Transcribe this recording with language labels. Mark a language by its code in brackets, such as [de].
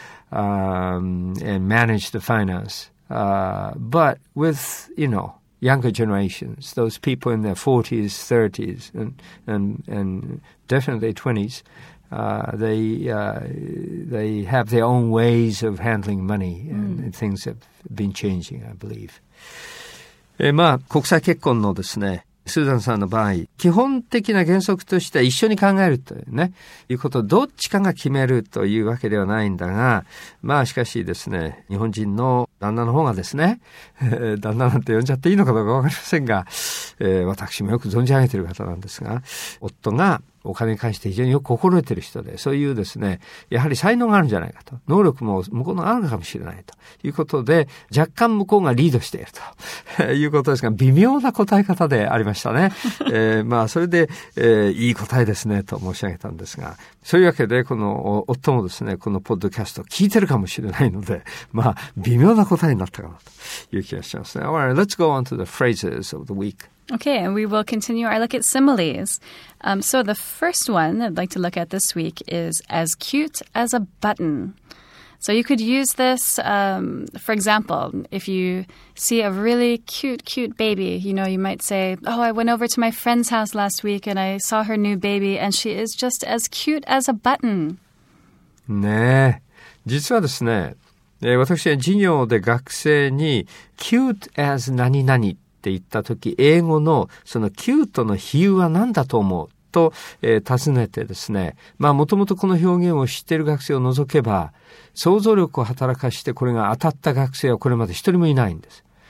[en] And manage the finance. But with, younger generations, those people in their 40s, 30s, and definitely 20s, they have their own ways of handling money, and things have been changing, I believe. [ja] まあ、国際結婚のですね、スーザンさんの場合、基本的な原則としては一緒に考えるというね、いうことをどっちかが決めるというわけではないんだが、まあしかしですね、日本人の旦那の方がですね、旦那なんて呼んじゃっていいのかどうかわかりませんが、私もよく存じ上げている方なんですが、夫がお金に関して非常によく心得ている人で、そういうですね、やはり才能があるんじゃないかと、能力も向こうのあるかもしれないということで、若干向こうがリードしているということですが、微妙な答え方でありましたね。まあ、それで、いい答えですね、と申し上げたんですが、そういうわけで、この夫もですね、このポッドキャストを聞いてるかもしれないので、まあ、微妙な答えになったかなという気がしますね。 [en] All right, let's go on to the phrases of the week. Okay, and we will continue our look at similes. So the first one I'd like to look at this week is as cute as a button. So you could use this, for example, if you see a really cute, cute baby, you know, you might say, oh, I went over to my friend's house last week and I saw her new baby and she is just as cute as a button. [ja] ねえ、実はですね、私は授業で学生に [en] cute as [ja] 何々って言ったとき、英語のそのキュートの比喩は何だと思うと、尋ねてですね、まあもともとこの表現を知っている学生を除けば、想像力を働かしてこれが当たった学生はこれまで一人もいないんです。